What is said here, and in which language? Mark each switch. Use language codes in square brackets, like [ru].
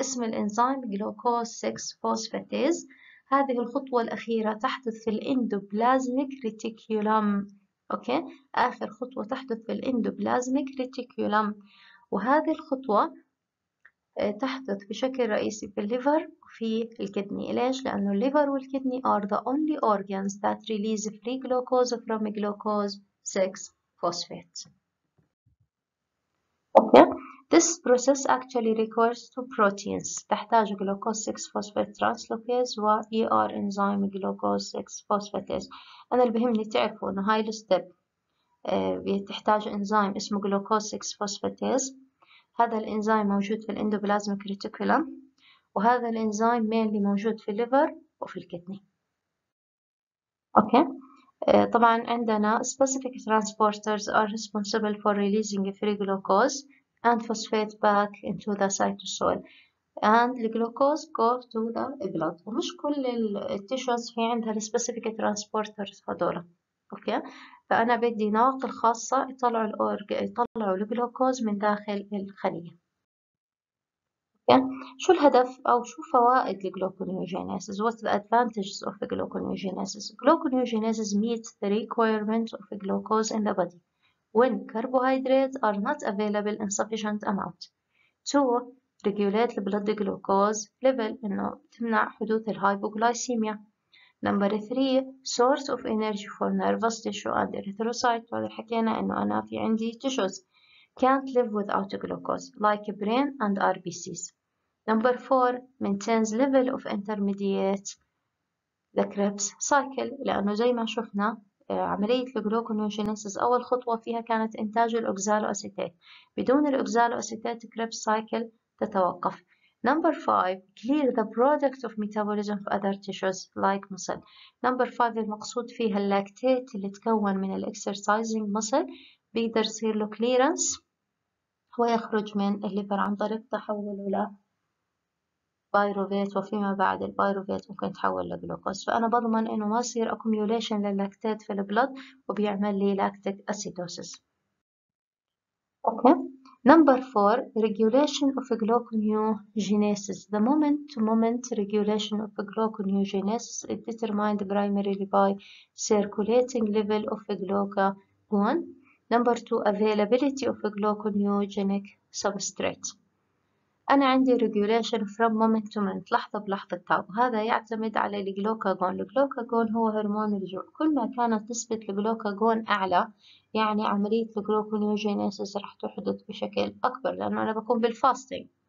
[ar] اسم الإنزيم جلوكوز 6 فوسفاتيز. هذه الخطوة الأخيرة تحدث في الإندوبلازميك ريتيكيولم. أوكي، آخر خطوة تحدث في الإندوبلازميك ريتيكيولم، وهذه الخطوة تحدث بشكل رئيسي في الليفر وفي الكدني. ليش؟ لأنه الليفر والكدني [en] are the only organs that release free glucose from glucose 6 phosphate. Okay, This process actually requires two proteins. تحتاج glucose 6 phosphate translocase و ER enzyme glucose 6 phosphatase. [ar] أنا اللي بهمني تعرفوا إنه هاي الستيب بتحتاج إنزيم اسمه glucose 6 phosphatase. هذا الإنزيم موجود في الإندوبلازميك ريتيكولم، وهذا الإنزيم mainly موجود في الليفر وفي الكدني. أوكي؟ طبعا عندنا [en] specific transporters are responsible for releasing free glucose and phosphate back into the cytosol and the glucose go to the blood. [ar] ومش كل التيشوز في عندها specific transporters هذولا. اوكي، فانا بدي ناقل خاصة يطلعوا يطلعوا الجلوكوز من داخل الخلية. [en] okay, [ar] شو الهدف او شو فوائد الجلوكونيوجينيسيس؟ [en] What the advantages of gluconeogenesis؟ Gluconeogenesis meets the requirement of glucose in the body when carbohydrates are not available in sufficient amount. Two, regulate the blood glucose level [ar] انه تمنع حدوث الهايبوغلايسيميا. [en] Number three, source of energy for nervous tissue and erythrocyte. [ar] وهذا حكينا انه انا في عندي [en] tissues can't live without glucose like brain and RBCs. Number four, maintains level of intermediate the Krebs cycle. [ar] لانه زي ما شفنا عملية الجلوكونيوجينيسيس أول خطوة فيها كانت إنتاج الأوكسالوأسيتات، بدون الأوكسالوأسيتات كريبس سايكل تتوقف. [en] Number 5 clear the product of metabolism of other tissues like muscle. [ar] Number 5 المقصود فيها اللاكتيت اللي تكون من الاكسرسايزنج مسل بيقدر يصير له كليرنس ويخرج من الليفر عن طريق تحوله ل بايروفيت، وفيما بعد البايروفيت ممكن تحول لجلوكوز. فأنا بضمن إنه ما يصير accumulation لللاكتات في البلد وبيعمل لي lactic acidosis. [en] Okay. Number 4 regulation of gluconeogenesis. The moment to moment regulation of gluconeogenesis is determined primarily by circulating level of glucagon. Number 2 availability of gluconeogenic substrate. [ar] أنا عندي [en] regulation from moment to moment، [ar] لحظة بلحظة تاو، هذا يعتمد على الجلوكاجون. الجلوكاجون هو هرمون الجوع، كل ما كانت نسبة الجلوكاجون أعلى يعني عملية الجلوكونيوجينيسيس راح تحدث بشكل أكبر، لأنه أنا بكون بالفاستنج.